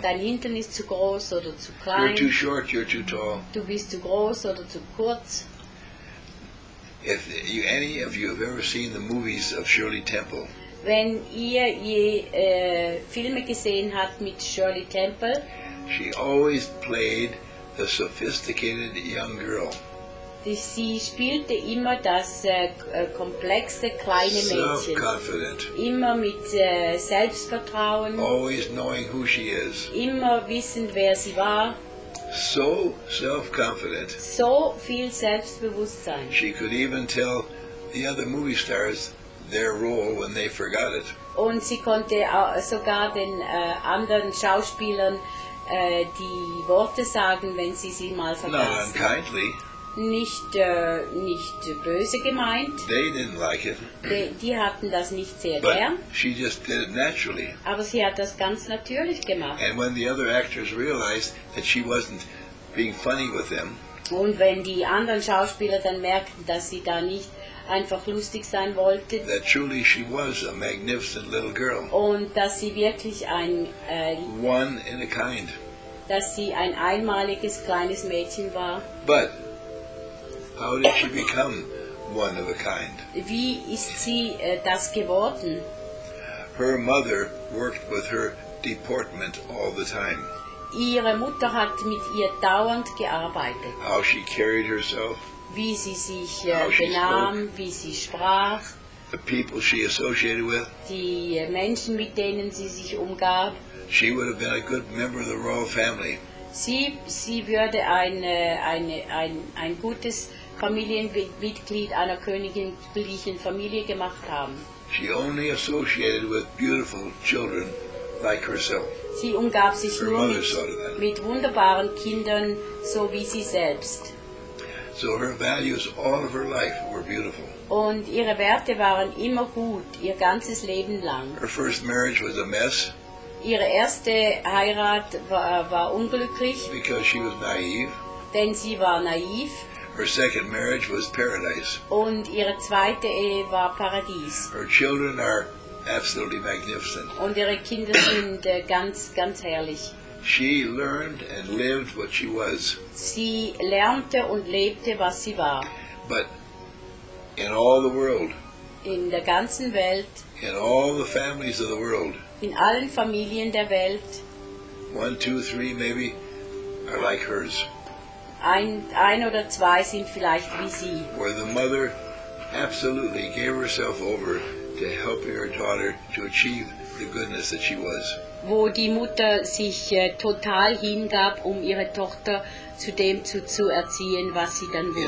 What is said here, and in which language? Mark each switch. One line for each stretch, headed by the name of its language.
German: Dein Hintern ist zu groß oder zu klein.
English: You're too short, you're too tall.
German: Du bist zu groß oder zu kurz.
English: If any of you have ever seen the movies of Shirley Temple,
German: wenn ihr je Filme gesehen habt mit Shirley Temple,
English: She always played the sophisticated young girl.
German: Sie spielte immer das komplexe kleine Mädchen. Immer mit Selbstvertrauen.
English: Always knowing who she is.
German: Immer wissend, wer sie war.
English: So self-confident.
German: So viel Selbstbewusstsein.
English: She could even tell the other movie stars their role when they forgot it.
German: Und sie konnte sogar den anderen Schauspielern die Worte sagen, wenn sie sie mal vergessen.
English: Not unkindly.
German: Nicht böse gemeint.
English: They didn't like it.
German: Die hatten das nicht sehr
English: but
German: gern.
English: She just did it naturally.
German: Aber sie hat das ganz natürlich gemacht.
English: And when the other actors realized that she wasn't being funny with them.
German: Und wenn die anderen Schauspieler dann merkten, dass sie da nicht einfach lustig sein wollte.
English: That truly she was a magnificent little girl.
German: Und dass sie wirklich ein
English: one in a kind.
German: Dass sie ein einmaliges kleines Mädchen war.
English: But how did she become one of a kind?
German: Wie ist sie das geworden?
English: Her mother worked with her deportment all the time.
German: Ihre Mutter hat mit ihr dauernd gearbeitet.
English: How she carried herself.
German: Wie sie sich benahm, wie sie sprach.
English: The people she associated with.
German: Die Menschen, mit denen sie sich umgab.
English: She would have been a good member of the royal family.
German: Sie würde ein gutes Familienmitglied einer königlichen Familie gemacht haben.
English: She only associated with beautiful children like herself.
German: Sie umgab sich nur mit wunderbaren Kindern, so wie sie selbst.
English: So her values all of her life were beautiful.
German: Und ihre Werte waren immer gut, ihr ganzes Leben lang.
English: Her first marriage was a mess.
German: Ihre erste Heirat war unglücklich.
English: Because she was naive.
German: Denn sie war naiv.
English: Her second marriage was paradise.
German: Und ihre zweite Ehe war Paradies.
English: Her children are absolutely magnificent.
German: Und ihre Kinder sind ganz, ganz herrlich.
English: She learned and lived what she was.
German: Sie lernte und lebte, was sie war.
English: But in all the world.
German: In der ganzen Welt.
English: In all the families of the world.
German: In allen Familien der Welt.
English: One, two, three, maybe, are like hers.
German: Ein oder zwei sind vielleicht wie sie.
English: Where the mother absolutely gave herself over to helping her daughter to achieve the goodness that she was.
German: Wo die Mutter sich total hingab, um ihre Tochter zu dem zu erziehen, was sie dann wurde.